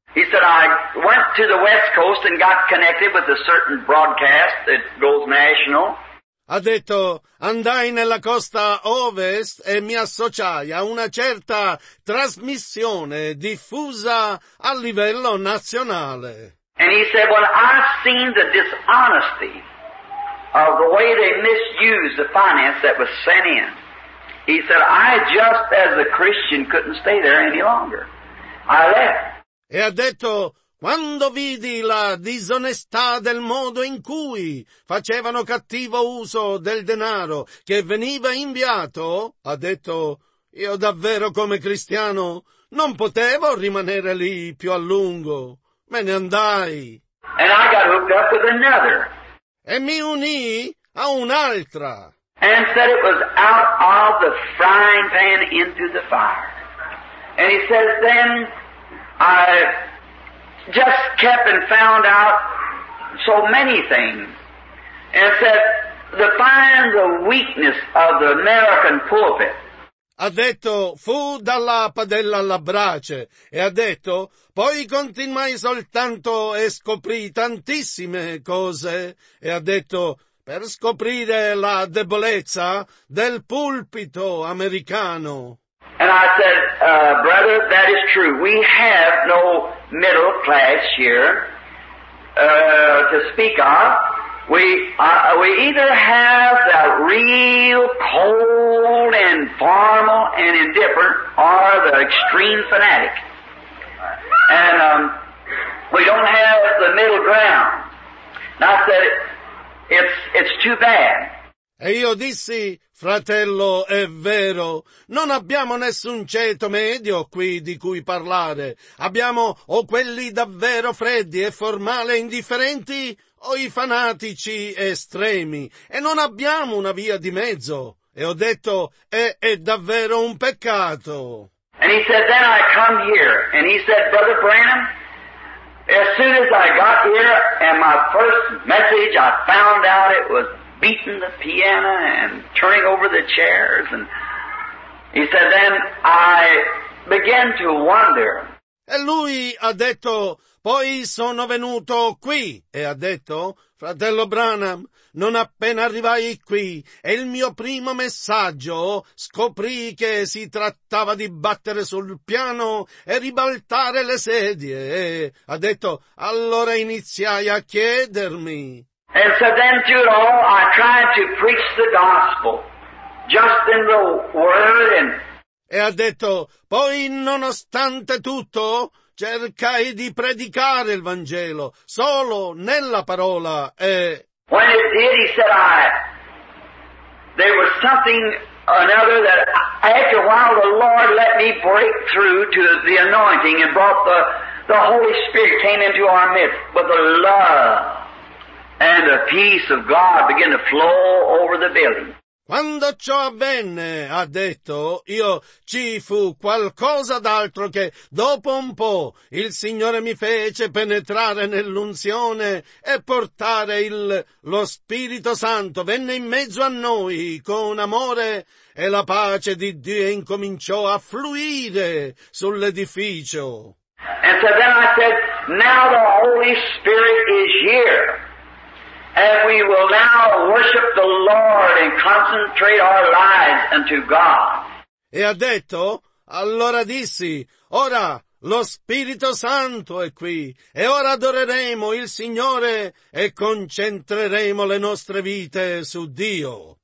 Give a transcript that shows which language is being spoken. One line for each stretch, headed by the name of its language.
English: He said, I went to the West Coast and got connected with a certain broadcast that goes national.
Italian: Ha detto, andai nella costa ovest e mi associai a una certa trasmissione diffusa a livello nazionale.
English: And he said, well, I've seen the dishonesty of the way they misused the finance that was sent in. He said, I just as a Christian couldn't stay there any longer. I left.
Italian: E ha detto, quando vidi la disonestà del modo in cui facevano cattivo uso del denaro che veniva inviato, ha detto, io davvero come cristiano non potevo rimanere lì più a lungo. Me ne andai.
English: And I got hooked up with another.
Italian: E mi uni a un'altra.
English: And said it was out of the frying pan into the fire. And he says, then I just kept and found out so many things, and said, to find the weakness of the American pulpit.
Italian: Ha detto, fu dalla padella alla brace, e ha detto, poi continuai soltanto e scoprì tantissime cose, e ha detto, per scoprire la debolezza del pulpito americano.
English: And I said, brother, that is true. We have no middle class here to speak of. We either have the real cold and formal and indifferent, or the extreme fanatic. And we don't have the middle ground. And I said, it's too bad.
Italian: E io dissi, fratello, è vero, non abbiamo nessun ceto medio qui di cui parlare. Abbiamo o quelli davvero freddi e formali e indifferenti, o i fanatici estremi. E non abbiamo una via di mezzo. E ho detto, è davvero un peccato.
English: And he said, then I come here. And he said, Brother Branham, as soon as I got here and my first message, I found out it was beating the piano and turning over the chairs. And he said, then I began to wonder.
Italian: E lui ha detto, poi sono venuto qui. E ha detto, fratello Branham, non appena arrivai qui, e il mio primo messaggio scoprì che si trattava di battere sul piano e ribaltare le sedie. E ha detto, allora iniziai a chiedermi.
English: And so then through it all, I tried to preach the gospel, just in the word and...
Italian: E ha detto, poi nonostante tutto, cercai di predicare il Vangelo, solo nella parola, e...
English: When it did, he said, there was something another that after a while the Lord let me break through to the anointing and brought the Holy Spirit came into our midst, but the love and the peace of God began to flow over the building.
Italian: Quando ciò avvenne, ha detto, io ci fu qualcosa d'altro che dopo un po' il Signore mi fece penetrare nell'unzione e portare lo Spirito Santo venne in mezzo a noi con amore e la pace di Dio incominciò a fluire sull'edificio.
English: And so then I said, now the Holy Spirit is here. And we will now worship the Lord and concentrate our lives unto God.
Italian: E ha detto, allora dissi, ora lo Spirito Santo è qui, e ora adoreremo il Signore e concentreremo le nostre vite su Dio.